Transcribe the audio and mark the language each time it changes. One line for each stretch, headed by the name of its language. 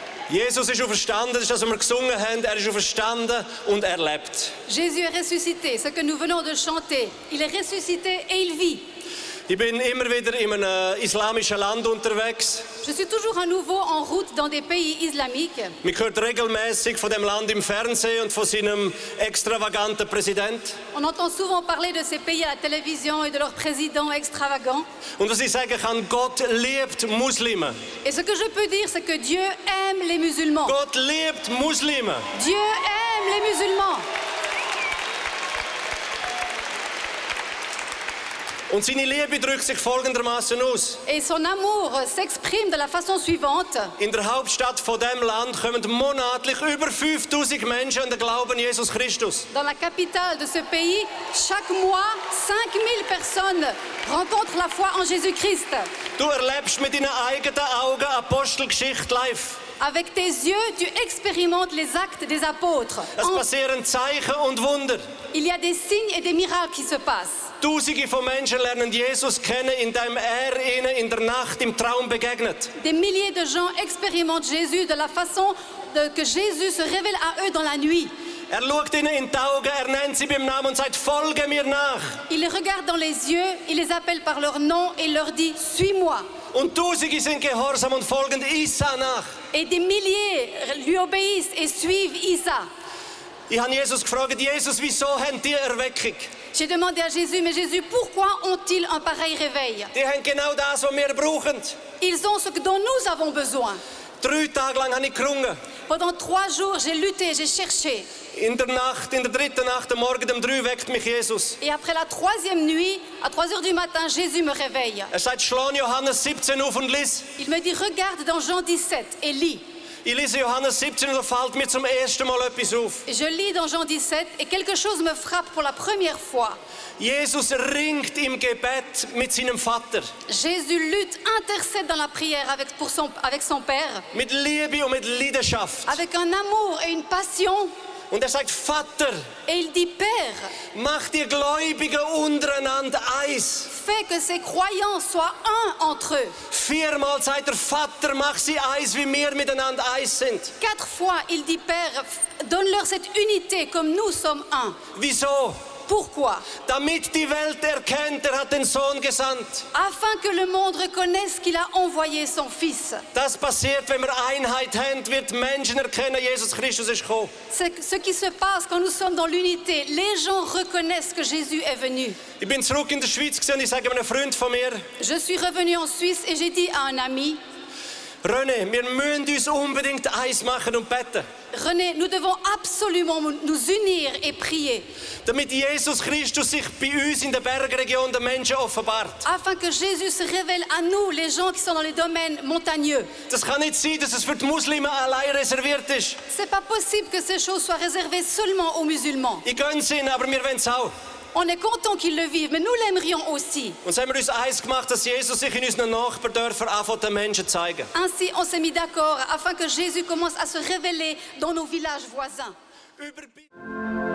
German: Jesus ist auferstanden, das ist, was wir gesungen haben. Er ist auferstanden und er lebt.
French: Jésus est ressuscité, ce que nous venons de chanter. Il est ressuscité et il vit.
German: Ich bin immer wieder in einem islamischen Land unterwegs.
French: Je suis toujours à nouveau en route dans des pays islamiques.
German: Man hört regelmäßig von dem Land im Fernsehen und von seinem extravaganten Präsident.
French: On entend souvent parler de ces pays à la télévision et de leur président extravagant.
German: Und was ich sagen kann, Gott liebt Muslime.
French: Et ce que je peux dire, c'est que Dieu aime les musulmans.
German: Gott liebt Muslime.
French: Dieu aime les musulmans.
German: Und seine Liebe drückt sich folgendermaßen aus.
French: Et son amour s'exprime de la façon suivante.
German: In der Hauptstadt von dem Land kommen monatlich über 5000 Menschen an den Glauben Jesus Christus.
French: Dans la capitale de ce pays, chaque mois 5000 personnes rencontrent la foi en Jésus-Christ.
German: Du erlebst mit deinen eigenen Augen Apostelgeschichte live.
French: Avec tes yeux, tu expérimentes les actes des apôtres.
German: Es passieren Zeichen und Wunder.
French: Il y a des signes et des miracles qui se passent.
German: Tausende von Menschen lernen Jesus kennen, indem er ihnen in der Nacht im Traum begegnet.
French: Des milliers de gens expérimentent Jésus de la façon que Jésus se révèle à eux dans la nuit.
German: Er schaut ihnen in die Augen, er nennt sie beim Namen und sagt, folge mir nach.
French: Il les regarde dans les yeux, il les appelle par leur nom et leur dit, suis-moi.
German: Und tausende sind gehorsam und folgen Isa nach.
French: Et des milliers lui obéissent et suivent Isa.
German: Ich habe Jesus gefragt, Jesus, wieso haben die Erweckung?
French: J'ai demandé à Jésus, mais Jésus, pourquoi ont-ils un pareil réveil?
German: Die haben genau das, was wir brauchen.
French: Ils ont ce dont nous avons besoin.
German: 3 Tage lang habe ich gerungen.
French: Pendant 3 jours, j'ai lutté, j'ai cherché.
German: In der Nacht, in der dritten Nacht, am Morgen um 3 weckt mich Jesus.
French: Et après la troisième nuit, à 3 heures du matin, Jésus me réveille.
German: Er sagt, schlag Johannes 17 auf und lis.
French: Il me dit, regarde dans Jean 17 et lis.
German: Ich lese Johannes 17 und da fällt mir zum ersten Mal etwas auf.
French: Je lis dans Jean 17 et quelque chose me frappe pour la première fois.
German: Jesus ringt im Gebet mit seinem Vater.
French: Jésus lutte, intercède dans la prière avec son Père.
German: Mit Liebe und mit Leidenschaft.
French: Avec un amour et une passion.
German: Und er sagt, Vater,
French: et il dit, Père,
German: mach die Gläubigen untereinander eins.
French: Fais que ces croyants soient un entre eux.
German: 4-mal sagt er, Vater, mach sie eins, wie wir miteinander eins sind.
French: 4 fois, il dit, Père, donne-leur cette unité, comme nous sommes un.
German: Wieso?
French: Pourquoi?
German: Damit die Welt erkennt, er hat den Sohn gesandt.
French: Afin que le monde reconnaisse qu'il a envoyé son Fils.
German: Das passiert, wenn wir Einheit haben, wird Menschen erkennen, Jesus Christus ist gekommen.
French: Ce qui se passe quand nous sommes dans l'unité, les gens reconnaissent que Jésus est venu.
German: Ich bin zurück in der Schweiz gewesen, ich sage einem Freund von mir.
French: Je suis revenu en Suisse et j'ai dit à un ami.
German: René, wir müssen uns unbedingt eins machen und beten.
French: René, nous devons absolument nous unir et prier.
German: Damit Jesus Christus sich bei uns in der Bergregion den Menschen offenbart.
French: Afin que Jésus se révèle à nous, les gens qui sont dans les domaines montagneux.
German: Das kann nicht sein, dass es für die Muslime allein reserviert ist.
French: C'est pas possible que ces choses soient réservées seulement aux musulmans.
German: Ich gönne es ihnen, aber wir wollen es auch.
French: On est content qu'ils le vivent, mais nous l'aimerions aussi.
German: Und so haben wir uns eins gemacht, dass Jesus sich in unseren Nachbardörfern auch von den Menschen zeigen.
French: Ainsi, on s'est mis d'accord afin que Jésus commence à se révéler dans nos villages voisins.